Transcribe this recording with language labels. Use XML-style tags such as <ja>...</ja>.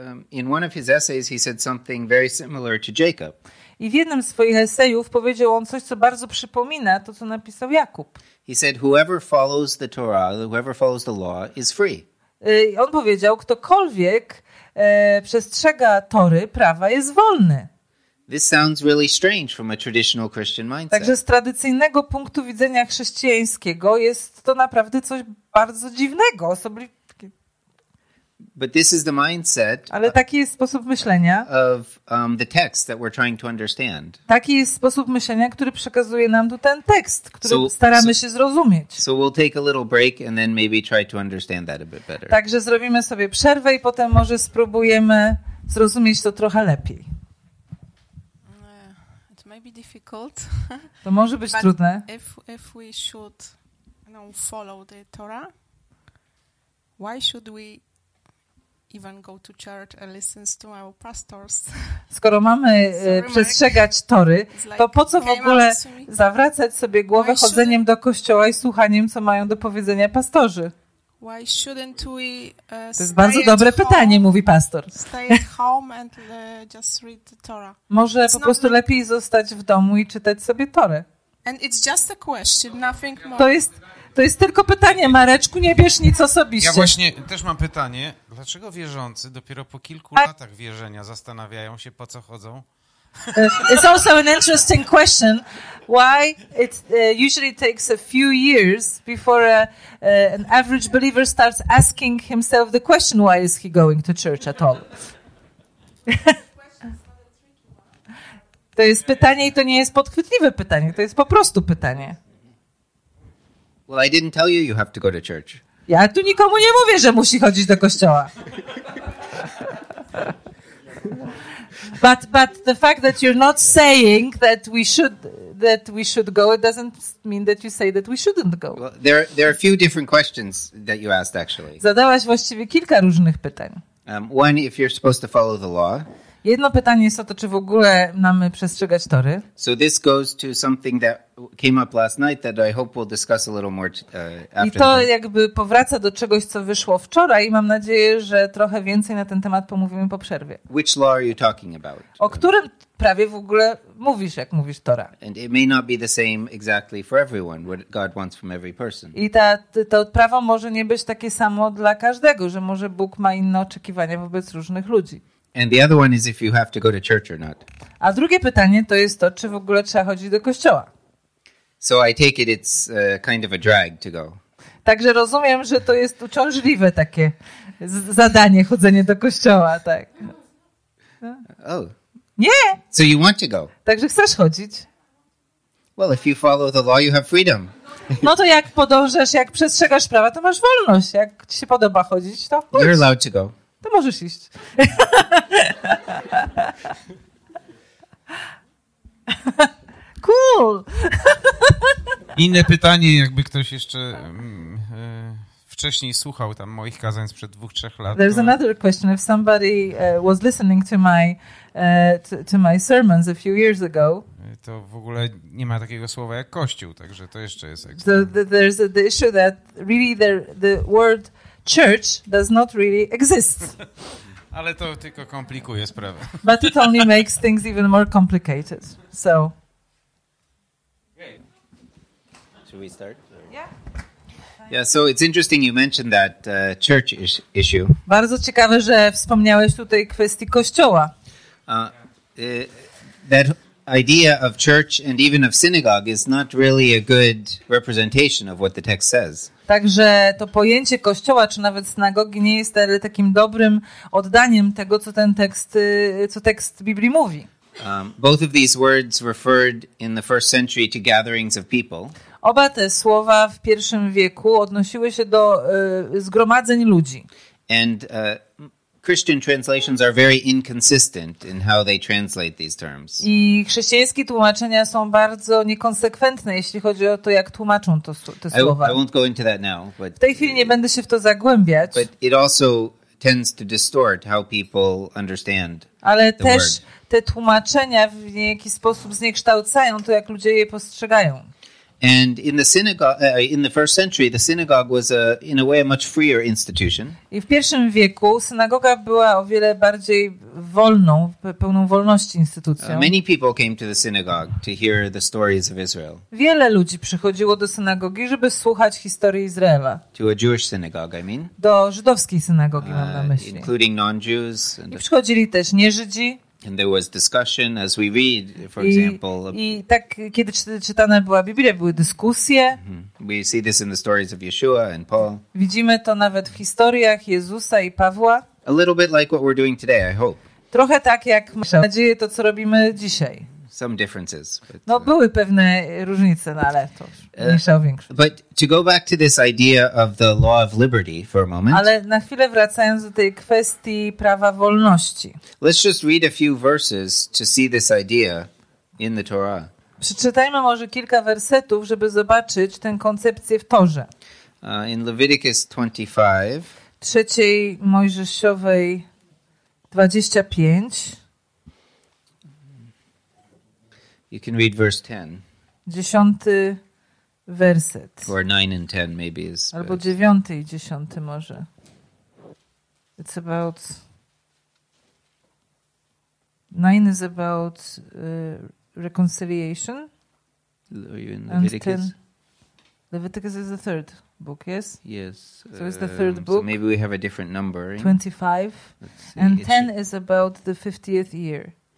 <en>In one of his essays he said something very similar to Jacob.</en> <pl>I w jednym z swoich esejów powiedział on coś, co bardzo przypomina to, co napisał Jakub.</pl> <en>He said, whoever follows the Torah, whoever follows the law is free.</en> <pl>On powiedział, ktokolwiek przestrzega Tory, prawa, jest wolny.</pl> <en>This sounds really strange from a traditional Christian mindset.</en> <pl>Także z tradycyjnego punktu widzenia chrześcijańskiego jest to naprawdę coś bardzo dziwnego, osobliwie.</pl> <en>But this is the mindset.</en> <pl>Ale taki jest sposób myślenia.</pl> <en>Of the text that we're trying to understand.</en> <pl>Taki jest sposób myślenia, który przekazuje nam tu ten tekst, który staramy się zrozumieć.</pl> <en>So we'll take a little break and then maybe try to understand that a bit better.</en> <pl>Także zrobimy sobie przerwę i potem może spróbujemy zrozumieć to trochę lepiej.</pl> <en>It may be difficult.</en> <pl>To może być trudne.</pl> <en>If we should, follow the Torah, why should we even go to church and listen to our pastors?</en> <pl>Skoro mamy przestrzegać Tory, to po co w ogóle zawracać sobie głowę chodzeniem do kościoła i słuchaniem, co mają do powiedzenia pastorzy?</pl> <en>Why shouldn't we stay at home?</en> <pl>To jest bardzo dobre pytanie, mówi pastor.</pl> <en>Stay at home and just read the Torah.</en> <pl>Może po prostu lepiej zostać w domu i czytać sobie Torę.</pl> <en>And it's just a question, nothing more.</en> <pl>To jest tylko pytanie, Mareczku, nie bierz nic osobiście. Ja właśnie też mam pytanie, dlaczego wierzący dopiero po kilku latach wierzenia zastanawiają się, po co chodzą?</pl> <en>It's also an interesting question. Why it usually takes a few years before an average believer starts asking himself the question, why is he going to church at all?</en> <pl>To jest pytanie i to nie jest podchwytliwe pytanie, to jest po prostu pytanie.</pl> <en>Well, I didn't tell you have to go to church.</en> <pl>Ja tu nikomu nie mówię, że musi chodzić do kościoła.</pl> <en>But the fact that you're not saying that we should go, it doesn't mean that you say that we shouldn't go. Well, there are a few different questions that you asked actually.</en> <pl>Zadałaś właściwie kilka różnych pytań.</pl> <en>One, if you're supposed to follow the law.</en> <pl>Jedno pytanie jest o to, czy w ogóle mamy przestrzegać Tory.</pl> <en>So this goes to something that came up last night that I hope we'll discuss a little more after.</en> <pl>I to jakby powraca do czegoś, co wyszło wczoraj i mam nadzieję, że trochę więcej na ten temat pomówimy po przerwie.</pl> <en>Which law are you talking about?</en> <pl>O którym prawie w ogóle mówisz, jak mówisz Tora?</pl> <en>And it may not be the same exactly for everyone, what God wants from every person.</en> <pl>I to prawo może nie być takie samo dla każdego, że może Bóg ma inne oczekiwania wobec różnych ludzi.</pl> <en>And the other one is if you have to go to church or not.</en> <pl>A drugie pytanie to jest to, czy w ogóle trzeba chodzić do kościoła.</pl> <en>So I take it it's kind of a drag to go.</en> <pl>Także rozumiem, że to jest uciążliwe takie zadanie, chodzenie do kościoła, tak. Oh. Nie.</pl> <en>So you want to go.</en> <pl>Także chcesz chodzić.</pl> <en>Well, if you follow the law, you have freedom.</en> <pl>No to jak podążasz, jak przestrzegasz prawa, to masz wolność. Jak ci się podoba chodzić, to chodź.</pl> <en>You're allowed to go.</en> <pl>To możesz iść.</pl> <en>Cool.</en> <pl>Inne pytanie, jakby ktoś jeszcze wcześniej słuchał tam moich kazań sprzed 2-3 lat.</pl> <en>There's another question. If somebody was listening to my sermons a few years ago.</en> <pl>To w ogóle nie ma takiego słowa jak kościół, także to jeszcze jest ekstra.</pl> <en>So there's the issue that really the word church does not really exist.</en> <pl>Ale to tylko komplikuje sprawę.</pl> <en>But it only makes things even more complicated. So. Great. Should we start? Yeah. Yeah, so it's interesting you mentioned that church issue.</en> <pl>Bardzo ciekawe, że wspomniałeś tutaj kwestii kościoła.</pl> <en>That idea of church and even of synagogue is not really a good representation of what the text says.</en> <pl>Także to pojęcie kościoła czy nawet synagogi nie jest takim dobrym oddaniem tego, co ten tekst, co tekst Biblii mówi.</pl> <en>Both of these words referred in the first century to gatherings of people.</en> <pl>Oba te słowa w pierwszym wieku odnosiły się do zgromadzeń ludzi.</pl> <en>And Christian translations are very inconsistent in how they translate these terms.</en> <pl>I chrześcijańskie tłumaczenia są bardzo niekonsekwentne, jeśli chodzi o to, jak tłumaczą to, te słowa.</pl> <en>I won't go into that now, but</en> <pl>w tej chwili nie będę się w to zagłębiać.</pl> <en>But it also tends to distort how people understand the word.</en> <pl>Ale też te tłumaczenia w jakiś sposób zniekształcają to, jak ludzie je postrzegają.</pl> <en>And in the synagogue, in the first century, the synagogue was a, in a way, a much freer institution.</en> <pl>I w pierwszym wieku synagoga była o wiele bardziej wolną, pełną wolności instytucją.</pl> <en>Many people came to the synagogue to hear the stories of Israel.</en> <pl>Wiele ludzi przychodziło do synagogi, żeby słuchać historii Izraela.</pl> <en>To a Jewish synagogue, I mean.</en> <pl>Do żydowskiej synagogi mam na myśli.</pl> <en>Including non-Jews.</en> <pl>I przychodzili też nie Żydzi.</pl> <en>And there was discussion, as we read, for example.</en> <pl>I tak, kiedy czytana była Biblia, były dyskusje.</pl> <en>We see this in the stories of Yeshua and Paul.</en> <pl>Widzimy to nawet w historiach Jezusa i Pawła.</pl> <en>A little bit like what we're doing today, I hope.</en> <pl>Trochę tak, jak mam nadzieję, to co robimy dzisiaj.</pl> <en>Some differences.</en> <pl>No, były pewne różnice, no, ale to mniejsza o większość.</pl> <en>But to go back to this idea of the law of liberty for a moment.</en> <pl>Ale na chwilę wracając do tej kwestii prawa wolności.</pl> <en>Let's just read a few verses to see this idea in the Torah.</en> <pl>Przeczytajmy może kilka wersetów, żeby zobaczyć tę koncepcję w Torze.</pl> <en>In Leviticus 25.</en> <pl>Trzeciej Mojżeszowej 25.</pl> <en>You can read verse 10.</en> <pl>Dziesiąty werset.</pl> <en>Or 9 and 10 maybe is.</en> <pl>Albo dziewiąty i dziesiąty może.</pl> <en>It's about. 9 is about reconciliation. Are you in Leviticus? And 10, Leviticus is the third book, yes? Yes. So it's the third book. So maybe we have a different number. 25. Let's see. And it's 10 is about the 50th year.</en>